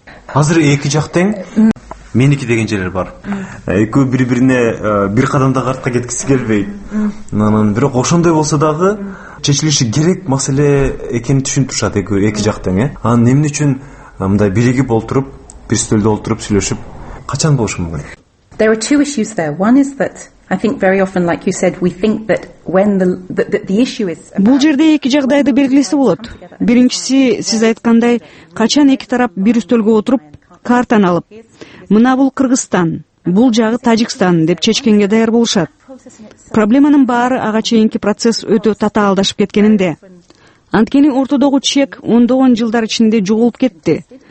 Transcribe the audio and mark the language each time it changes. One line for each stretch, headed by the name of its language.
Kyrgyz: Азыр эки жак тең. Меники деген жерлер бар. Экөө бири-бирине бир кадамдан артка кеткиси келбейт. Анан бирок ошондой болсо дагы чечилиши керек маселе экенин түшүнүшөт экөө эки жактан, э? Анан эмне үчүн мындай биригип отуруп, бир стөлдө отуруп сүйлөшүп качан болушу мүмкүн?
English: There are two issues there. One is that I think very often, like you said, we think that when the issue is about...
Kyrgyz: Бул жерде эки жагдайды белгилеси болот. Биринчиси, сиз айткандай, качан эки тарап бир стөлгө отуруп картаны алып, мына бул Кыргызстан, бул жагы Тажикстан деп чечкенге даяр болушат. Проблеманын баары ага чейинки процесс өтө татаалдашып кеткенинде. Анткени ортодогу чек ондогон жылдар ичинде жоголуп кетти.